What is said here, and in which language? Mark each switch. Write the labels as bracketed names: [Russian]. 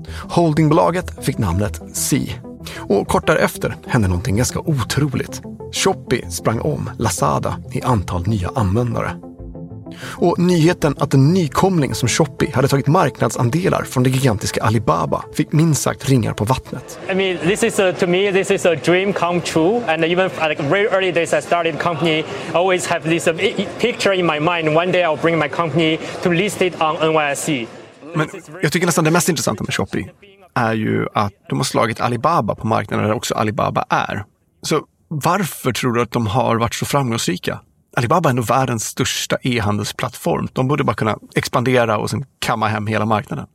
[Swedish] Holdingbolaget fick namnet Sea. Och kort därefter hände någonting ganska otroligt. Shopee sprang om Lazada i antal nya användare. Och nyheten att en nykomling som Shopee hade tagit marknadsandelar från det gigantiska Alibaba fick minst sagt ringar på vattnet. [English] I mean, this is to me this is a dream come true, and even like very early days I started company always have this picture in my mind, one day I'll bring my company to list it on NYSE. [Swedish] Men jag tycker nästan det mest intressanta med Shopee är ju att de har slagit Alibaba på marknaden där också Alibaba är. Så varför tror du att de har varit så framgångsrika? Alibaba är nog världens största e-handelsplattform. De borde bara kunna expandera och sen kamma hem hela marknaden.